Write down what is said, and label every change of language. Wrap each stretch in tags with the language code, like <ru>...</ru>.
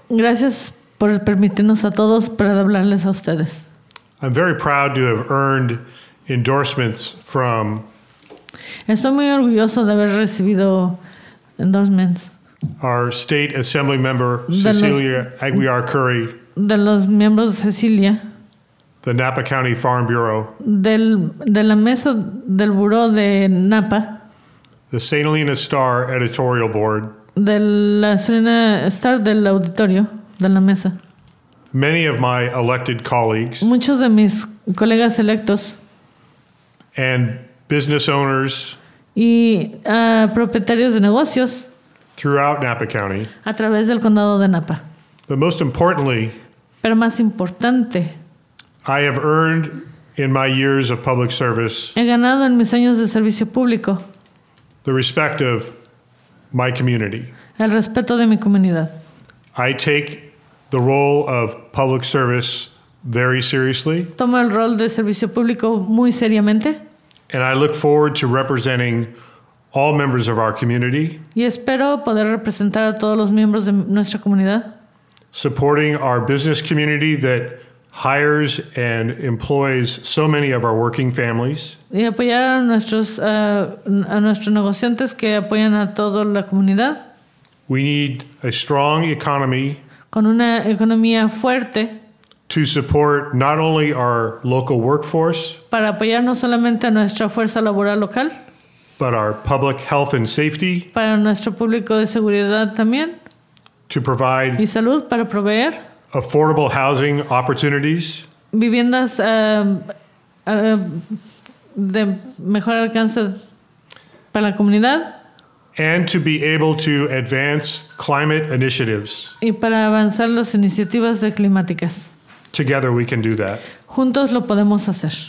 <es>Gracias por permitirnos a todos para hablarles a ustedes.</es> <en>I'm very proud to have earned endorsements from.</en> <es>Estoy muy orgulloso de haber recibido endorsements.</es> <en>Our state assembly member Cecilia Aguiar Curry.</en> <es>De los miembros de Cecilia.</es> <en>The Napa County Farm Bureau.</en> <es>De la mesa del Buró de Napa.</es> <en>The St. Helena Star Editorial Board.</en> <es>De la St. Helena Star del auditorio de la mesa.</es> <en>Many of my elected colleagues.</en> <es>Muchos de mis colegas electos.</es> <en>And business owners.</en> <es>Y propietarios de negocios.</es> <en>Throughout Napa County.</en> <es>A través del condado de Napa.</es> <en>But most importantly.</en> <es>Pero más importante.</es> <en>I have earned in my years of public service.</en> <es>He ganado en mis años de servicio público.</es> <en>The respect of my community.</en> <es>El respeto de mi comunidad.</es> <en>I take the role of public service very seriously.</en> <es>Tomo el rol de servicio público muy seriamente.</es> <en>And I look forward to representing all members of our community.</en> <es>Y espero poder representar a todos los miembros de nuestra comunidad.</es> <en>Supporting our business community that hires and employs so many of our working families.</en> <es>Y apoyar a nuestros negociantes que apoyan a toda la comunidad.</es> <en>We need a strong economy.</en> <es>Con una economía fuerte.</es> <en>To support not only our local workforce.</en> <es>Para apoyar no solamente a nuestra fuerza laboral local.</es> <en>But our public health and safety.</en> <es>Para nuestro público de seguridad también.</es> <en>To provide.</en> <es>Y salud para proveer.</es> <en>Affordable housing opportunities.</en> <es>Viviendas de mejor alcance para la comunidad.</es> <en>And to be able to advance climate initiatives.</en> <es>Y para avanzar las iniciativas de climáticas.</es> <en>Together we can do that.</en> <es>Juntos lo podemos hacer.</es>